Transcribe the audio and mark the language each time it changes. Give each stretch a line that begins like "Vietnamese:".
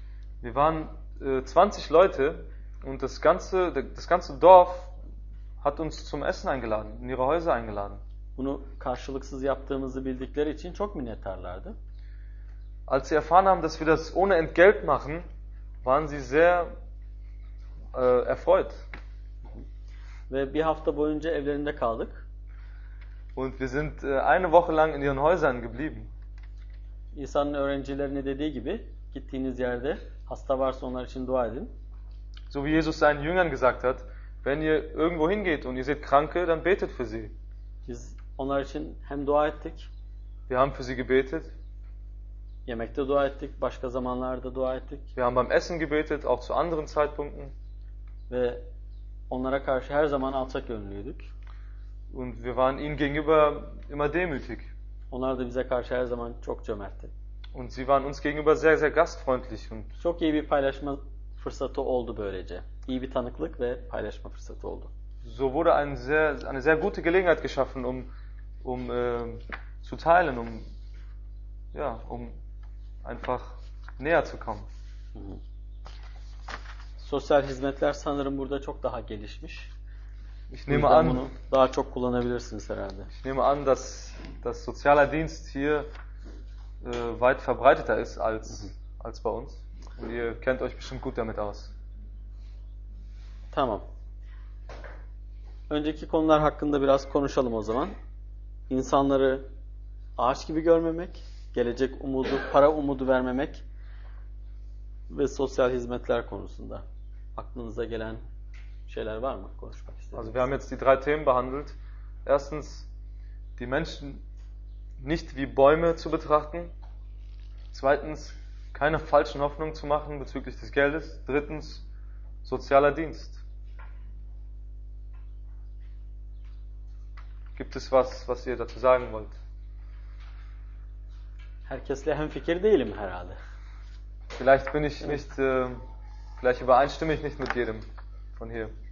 German: Wir waren 20 Leute und das ganze Dorf hat uns zum Essen eingeladen, in ihre Häuser eingeladen.
Turkish: Bunu karşılıksız yaptığımızı bildikleri için çok minnettarlardı.
German: Als sie erfahren haben, dass wir das ohne Entgelt machen, waren sie sehr erfreut.
Turkish: Ve bir hafta boyunca evlerinde kaldık.
German: Und wir sind eine Woche lang in ihren Häusern geblieben.
Turkish: İsa'nın öğrencilerine dediği gibi, gittiğiniz yerde hasta varsa onlar için dua edin.
German: So wie Jesus seinen Jüngern gesagt hat, wenn ihr irgendwo hingeht und ihr seht Kranke, dann betet für sie.
Turkish: Biz onlar için hem dua ettik.
German: Wir haben für sie gebetet.
Turkish: Yemekte dua ettik, başka zamanlarda dua ettik.
German: Wir haben beim Essen gebetet, auch zu anderen Zeitpunkten.
Turkish: Ve onlara karşı her zaman alçak gönüllüydük.
German: Und wir waren ihnen gegenüber immer demütig.
Turkish: Onlar da bize karşı her zaman çok cömertti.
German: Und sie waren uns gegenüber sehr sehr gastfreundlich und
Turkish: çok iyi bir paylaşma fırsatı oldu böylece. İyi bir tanıklık ve paylaşma fırsatı oldu.
German: So wurde eine sehr gute Gelegenheit geschaffen, um zu teilen, um einfach näher zu kommen.
Turkish: Sosyal hizmetler sanırım burada çok daha gelişmiş.
German: Ich nehme an,
Turkish: bunu daha çok kullanabilirsiniz herhalde.
German: Ich nehme an, dass sozialer Dienst hier weit verbreiteter ist als bei uns. Und ihr kennt euch bestimmt gut damit aus.
Turkish: Tamam. Önceki konular hakkında biraz konuşalım o zaman. İnsanları ağaç gibi görmemek, gelecek umudu, para umudu vermemek ve sosyal hizmetler konusunda aklınıza gelen şeyler var mı konuşmak istediğiniz?
German: Also wir haben jetzt die drei Themen behandelt. Erstens die Menschen nicht wie Bäume zu betrachten. Zweitens keine falschen Hoffnungen zu machen bezüglich des Geldes. Drittens sozialer Dienst. Gibt es was ihr dazu sagen wollt?
Turkish: Herkesle hemfikir değilim herhalde.
German: Vielleicht bin ich nicht vielleicht übereinstimme ich nicht mit jedem von hier.